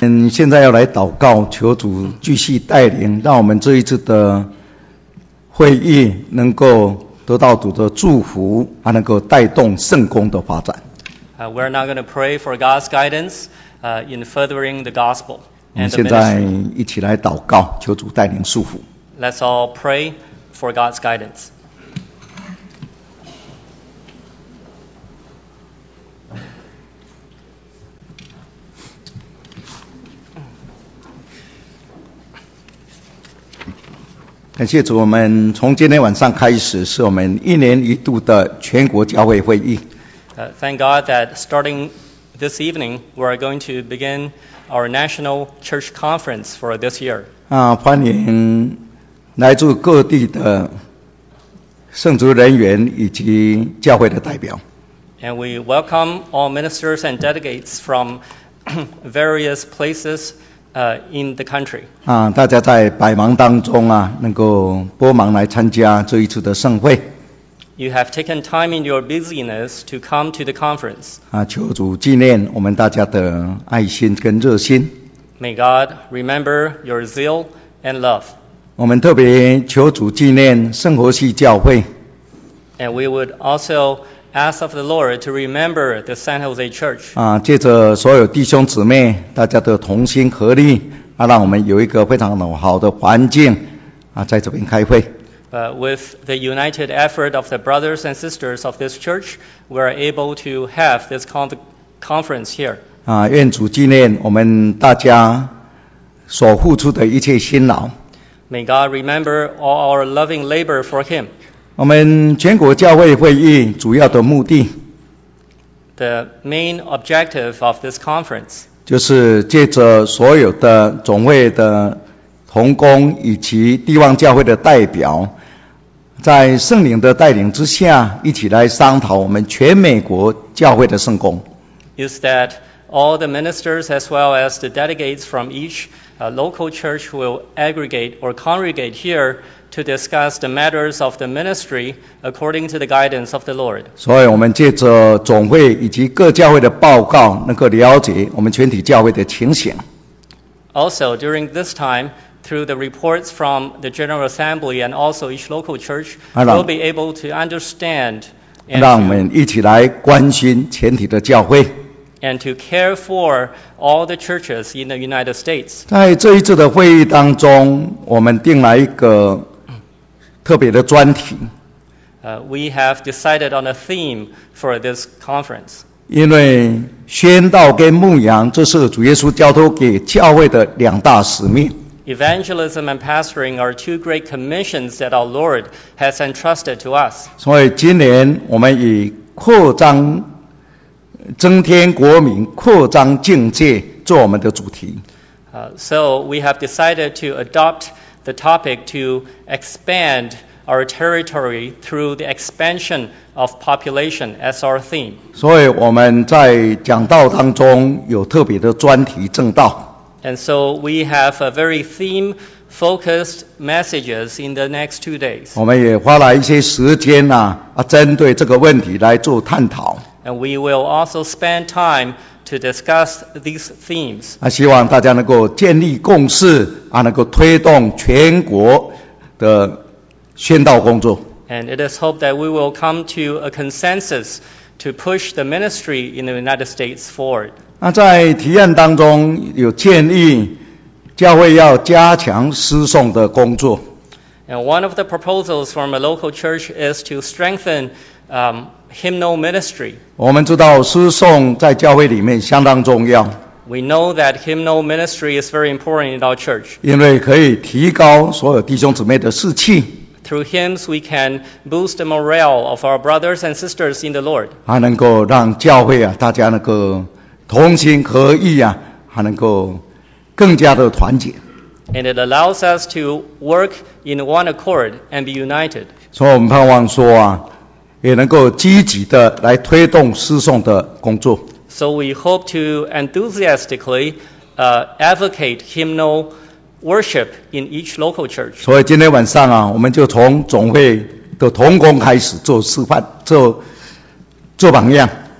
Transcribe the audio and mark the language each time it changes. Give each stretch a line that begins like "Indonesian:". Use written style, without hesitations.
Chinese: 现在要来祷告，求主继续带领，让我们这一次的会议能够得到主的祝福，还能够带动圣工的发展。
English: We're now going to pray for God's guidance, in furthering the gospel.
Chinese: 我们现在一起来祷告，求主带领祝福。
English: Let's all pray for God's guidance.
Chinese: 感谢主，我们从今天晚上开始，是我们一年一度的全国教会会议。
English: Thank God that starting this evening, we are going to begin our national church conference for this year.
Chinese: 欢迎来自各地的圣职人员以及教会的代表。
English: And we welcome all ministers and delegates from various places. In the country.
Chinese: 大家在百忙当中啊，能够拨忙来参加这一次的盛会。
English: You have taken time in your busyness to come to the conference.
Chinese: 求主纪念我们大家的爱心跟热心。
English: May God remember your zeal and love.
Chinese: 我们特别求主纪念圣活系教会。
English: And we would also ask of the Lord to remember the San Jose Church.
Chinese: 借着所有弟兄姊妹大家的同心合力，让我们有一个非常好的环境，在这边开会。
English: With the united effort of the brothers and sisters of this church, we are able to have this conference here.
Chinese: 愿主纪念我们大家所付出的一切辛劳。
English: May God remember all our loving labor for Him.
Chinese: 我们全国教会会议主要的目的
English: The main objective of this conference
Chinese: 就是借着所有的总会的同工以及地方教会的代表，在圣灵的带领之下，一起来商讨我们全美国教会的圣工。
English: Is that all the ministers as well as the delegates from each local church will aggregate or congregate hereto discuss the matters of the ministry according to the guidance of the Lord.
Chinese: 所以我们借着总会以及各教会的报告，能够了解我们全体教会的情形。
English: Also, during this time, through the reports from the General Assembly and also each local church, we'll be able to understand
Chinese: and 让我们一起来关心全体的教会。
English: And to care for all the churches in the United States.
Chinese: 在这一次的会议当中，我们定了一个特别的专题。
English: We have decided on a theme for this conference.
Chinese: 因为宣道跟牧养，这是主耶稣交托给教会的两大使命。
English: Evangelism and pastoring are two great commissions that our Lord has entrusted to us.
Chinese: 所以今年我们以扩张、增添国民、扩张境界做我们的主题。
English: So we have decided to adopt. The topic to expand our territory through the expansion of population as our theme.
Chinese: 所以我们在讲道当中有特别的专题正道。
English: And so we have a very theme-focused messages in the next 2 days.
Chinese: 我们也花了一些时间针对这个问题来做探讨。
English: And we will also spend time. To discuss these themes.
Chinese: 希望大家能够建立共识，能够推动全国的宣道工作。
English: And it is hoped that we will come to a consensus to push the ministry in the United States forward.
Chinese: 在提案当中有建议教会要加强施送的工作。
English: And one of the proposals from a local church is to strengthen hymnal ministry.
Chinese: 我们知道诗颂在教会里面相当重要。
English: We know that hymnal ministry is very important in our church.
Chinese: 因为可以提高所有弟兄姊妹的士气。
English: Through hymns, we can boost the morale of our brothers and sisters in the Lord.
Chinese: 还能够让教会大家能够同心合意还能够更加的团结。
English: And it allows us to work in one accord and be united.
Chinese: 所以我们盼望说也能够积极的来推动施送的工作。
English: So we hope to enthusiastically advocate hymnal worship in each local church.
Chinese: 所以今天晚上我们就从总会的同工开始做示范，做榜样。